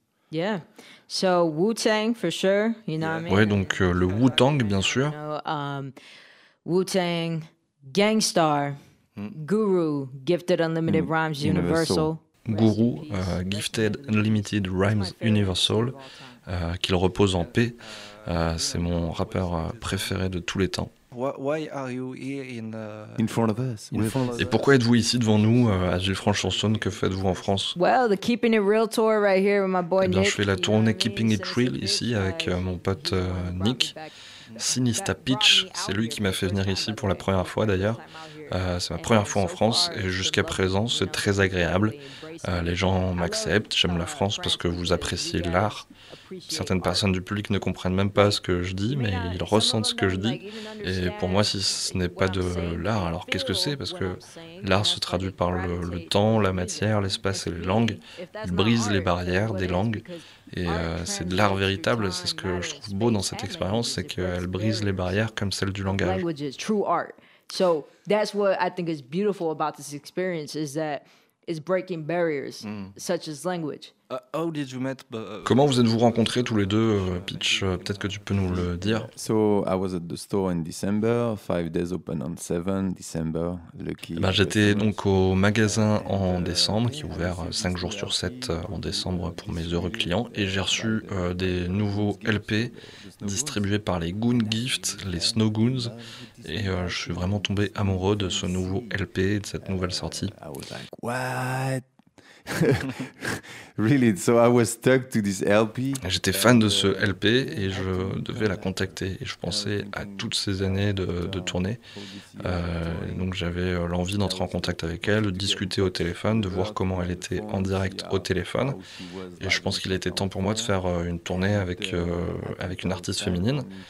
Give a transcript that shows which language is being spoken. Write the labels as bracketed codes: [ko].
[en] Yeah, so Wu-Tang for sure, you know what I mean? [fr] Ouais, donc le Wu-Tang bien sûr. [en] Wu-Tang, Gangstar. Guru, Gifted Unlimited Rhymes Universal. [fr] Guru, Gifted Unlimited Rhymes Universal, qu'il repose en paix. C'est mon rappeur préféré de tous les temps. [en] Why are you here in front of us? [fr] Et pourquoi êtes-vous ici devant nous, à Villefranche-sur-Saône? Que faites-vous en France? [en] Well, the Keeping It Real tour right here with my boy Nick. [fr] Bien, je fais la tournée Keeping It Real ici avec mon pote Nick. Sinista Pitch, c'est lui qui m'a fait venir ici pour la première fois d'ailleurs. C'est ma première fois en France et jusqu'à présent c'est très agréable. Les gens m'acceptent, j'aime la France parce que vous appréciez l'art. Certaines personnes du public ne comprennent même pas ce que je dis, mais ils ressentent ce que je dis. Et pour moi, si ce n'est pas de l'art, alors qu'est-ce que c'est? Parce que l'art se traduit par le temps, la matière, l'espace et les langues. Il brise les barrières des langues. Et c'est de l'art véritable, c'est ce que je trouve beau dans cette expérience, c'est qu'elle brise les barrières comme celle du langage. [en] So that's what I think is beautiful about this experience is that it's breaking barriers such as language. How did you meet? [fr] Comment vous êtes-vous rencontrés tous les deux, Peach? Peut-être que tu peux nous le dire. [en] So I was at the store in December, 5 days open on 7 December. Lucky. [fr] Ben, j'étais donc au magasin en décembre, qui est ouvert 5 jours sur 7 en décembre pour mes heureux clients, et j'ai reçu des nouveaux LP distribués par les Goon Gift, les Snow Goons, et je suis vraiment tombé amoureux de ce nouveau LP, de cette nouvelle sortie. [en] I was like, what? Really, so I was stuck to this LP. [fr] J'étais fan de ce LP et je devais la contacter. Et je pensais à toutes ces années de tournée. Donc j'avais l'envie d'entrer en contact avec elle, de discuter au téléphone, de voir comment elle était en direct au téléphone. Et je pense qu'il était temps pour moi de faire une tournée avec une artiste féminine.